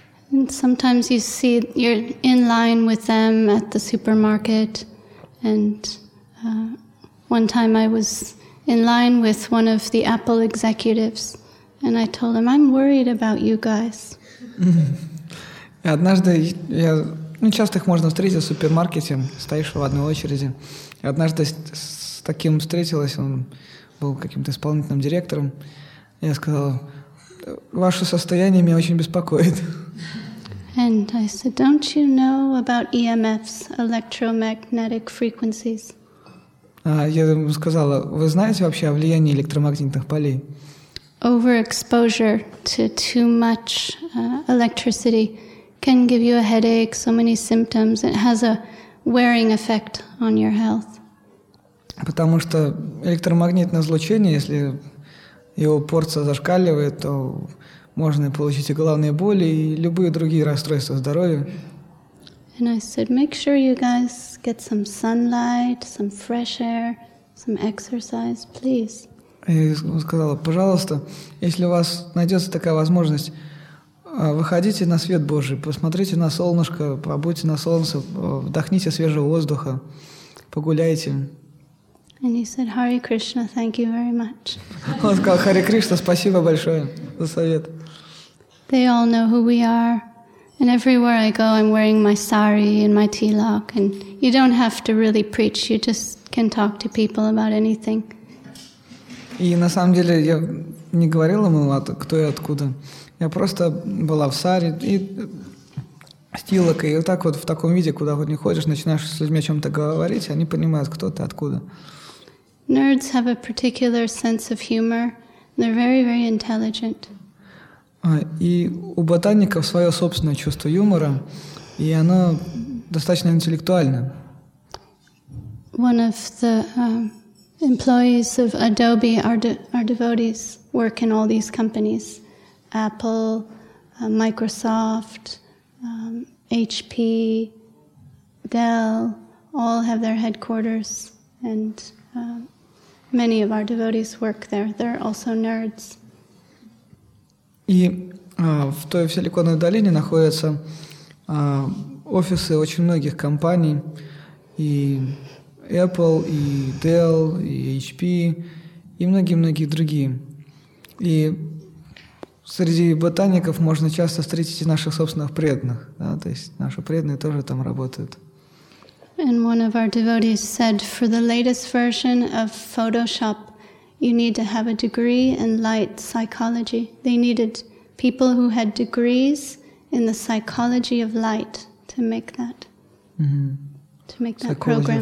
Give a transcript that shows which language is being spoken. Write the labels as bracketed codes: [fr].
[en] And sometimes you see you're in line with them at the supermarket, and one time I was in line with one of the Apple executives, and I told him, I'm worried about you guys. [ru] Однажды я, ну, часто их можно встретить в супермаркете, стоишь в одной очереди. И однажды с таким встретилась, он был каким-то исполнительным директором. Я сказал, ваше состояние меня очень беспокоит. [en] And I said, don't you know about EMFs, electromagnetic frequencies? [ru] Я ему сказала, вы знаете вообще о влиянии электромагнитных полей? [en] Overexposure to too much electricity can give you a headache, so many symptoms. It has a wearing effect on your health. [ru] Потому что электромагнитное излучение, если его порция зашкаливает, то можно получить и головные боли, и любые другие расстройства здоровья. [en] And I said, make sure you guys get some sunlight, some fresh air, some exercise, please. [ru] Я ему сказала, пожалуйста, если у вас найдется такая возможность, выходите на свет Божий, посмотрите на солнышко, побудьте на солнце, вдохните свежего воздуха, погуляйте. [en] And he said, Hare Krishna, thank you very much. [ru] Он сказал, Харе Кришна, спасибо большое за совет. [en] They all know who we are. And everywhere I go, I'm wearing my sari and my tilak. And you don't have to really preach. You just can talk to people about anything. [ru] И на самом деле я не говорил ему, кто я, откуда. Я просто была в сари и тилак. И вот так вот в таком виде, куда вот не ходишь, начинаешь с людьми о чем-то говорить, они понимают, кто ты, откуда. [en] Nerds have a particular sense of humor. They're very, very intelligent. [ru] И у ботаников свое собственное чувство юмора, и оно достаточно интеллектуальное. [en] One of the employees of Adobe, our devotees, work in all these companies: Apple, Microsoft, HP, Dell. All have their headquarters, and many of our devotees work there. They're also nerds. [ru] И в той в Силиконовой долине находятся офисы очень многих компаний, и Apple, и Dell, и HP, и многие-многие другие. И среди ботаников можно часто встретить и наших собственных преданных, да, то есть наши преданные тоже там работают. [en] And one of our devotees said, for the latest version of Photoshop, you need to have a degree in light psychology. They needed people who had degrees in the psychology of light to make that, to make that program.